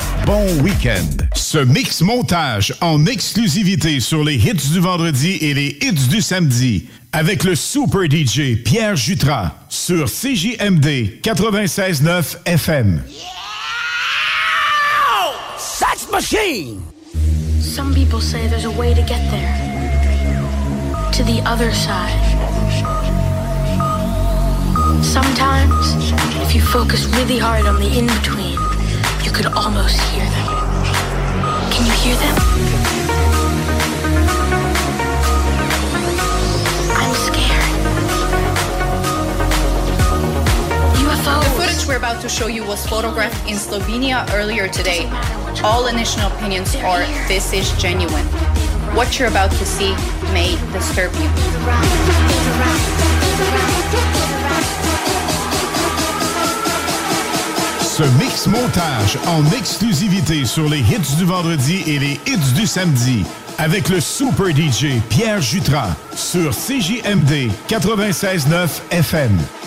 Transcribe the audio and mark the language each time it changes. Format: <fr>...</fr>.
<fr>Bon week-end. Ce mix montage en exclusivité sur les Hits du vendredi et les Hits du samedi. Avec le super DJ Pierre Jutras sur CJMD 96.9 FM.</fr> <en>Yeah! Sex machine! Some people say there's a way to get there. To the other side. Sometimes, if you focus really hard on the in-between, you could almost hear them. Can you hear them? The footage we're about to show you was photographed in Slovenia earlier today. All initial opinions are this is genuine. What you're about to see may disturb you.</en> <fr>Ce mix montage en exclusivité sur les hits du vendredi et les hits du samedi avec le super DJ Pierre Jutras sur CJMD 96.9 FM.</fr>